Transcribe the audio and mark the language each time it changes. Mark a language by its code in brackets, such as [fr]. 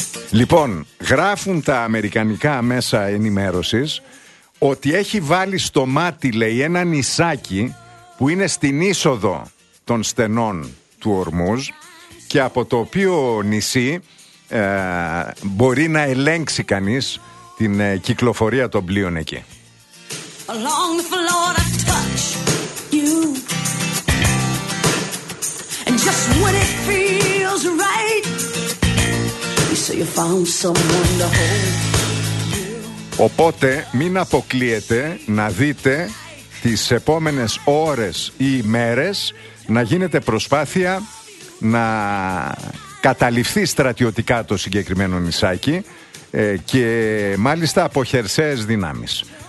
[el] Λοιπόν, γράφουν τα αμερικανικά μέσα ενημέρωσης ότι έχει βάλει στο μάτι, λέει, ένα νησάκι που είναι στην είσοδο των στενών του Ορμούζ και από το οποίο νησί μπορεί να ελέγξει κανείς την κυκλοφορία των πλοίων εκεί. [en] Along the floor I touch you, and just when it feels right, you say you found someone to hold. [el] Οπότε μην αποκλείετε να δείτε τις επόμενες ώρες ή ημέρες να γίνεται προσπάθεια να καταληφθεί στρατιωτικά το συγκεκριμένο νησάκι και μάλιστα από χερσαίες δυνάμεις.